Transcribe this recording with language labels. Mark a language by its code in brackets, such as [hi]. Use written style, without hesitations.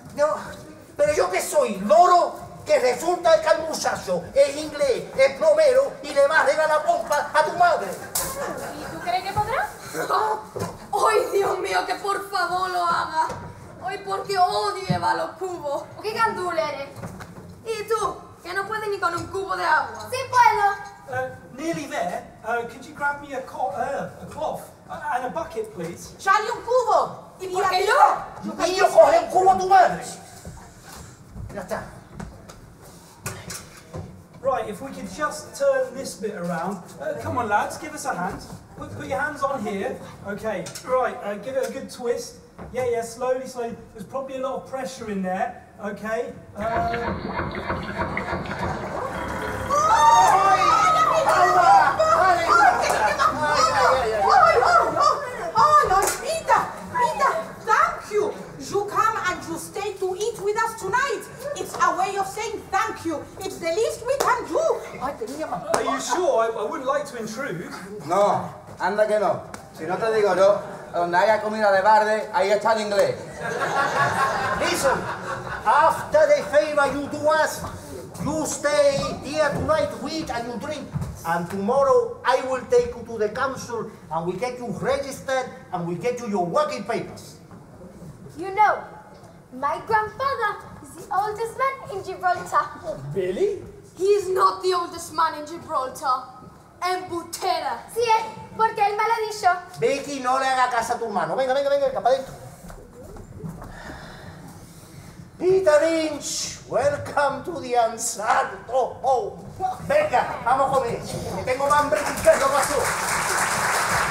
[es] No, pero yo que soy, loro, que resulta que el muchacho es inglés, es plomero y le va a regar la pompa a tu madre. ¿Y tú crees que podrá? ¡Ay, oh, Dios mío, que por favor lo haga! ¡Ay, porque odie a los cubos! ¡Qué gandul eres! ¿Y tú? Que no puedes ni con un cubo de agua. ¡Sí puedo! [en] Nearly there. Could you grab me a cloth and a bucket, please? [es] ¡Charlie, un cubo! ¿Y por qué yo? ¡Niño, coge un cubo a tu madre! Ya está. [en] Right, if we could just turn this bit around. Come on, lads, give us a hand. Put your hands on here. Okay, right, give it a good twist. Yeah, yeah, slowly, slowly. There's probably a lot of pressure in there. Okay. Oh, no, Rita! Rita, thank you! You come and you stay to eat with us tonight. It's a way of saying thank you. It's the least we can do. Are you sure? I wouldn't like to intrude. [es] No. Anda que no. Si no te digo yo, donde haya comida de barde, ahí está el inglés. [en] Listen, after the favor you do us, you stay here tonight, we eat and you drink. And tomorrow I will take you to the council and we get you registered and we get you your working papers. You know, my grandfather is the oldest man in Gibraltar. Really? He is not the oldest man in Gibraltar. [es] En butera. Sí, es porque él me lo ha dicho. Vicky, no le haga caso a tu hermano. Venga, venga, venga, capa dentro. [en] Peter Lynch, welcome to the Ansarto Home. [es] Venga, vamos a comer. Que tengo más hambre que lo pasó.